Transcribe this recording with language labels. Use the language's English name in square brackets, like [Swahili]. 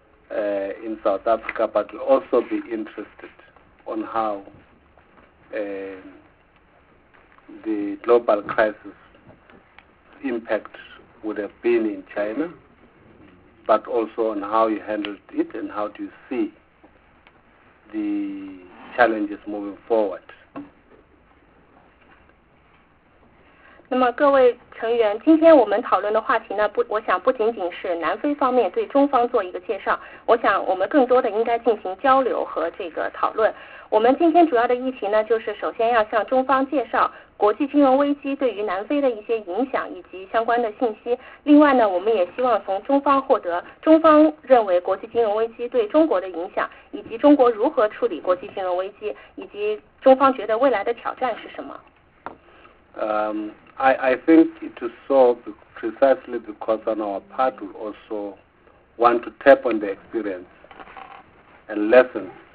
[English] in South Africa, but we'll also be interested on how the global crisis impact would have been in China, but also on how you handled it and how do you see the challenges moving forward. [Chinese] 那么各位成员，今天我们讨论的话题呢，我想不仅仅是南非方面对中方做一个介绍，我想我们更多的应该进行交流和这个讨论。我们今天主要的议题呢，就是首先要向中方介绍国际金融危机对于南非的一些影响以及相关的信息。另外呢，我们也希望从中方获得中方认为国际金融危机对中国的影响，以及中国如何处理国际金融危机，以及中方觉得未来的挑战是什么。 [English] I think it is so precisely because on our part we also want to tap on the experience and lessons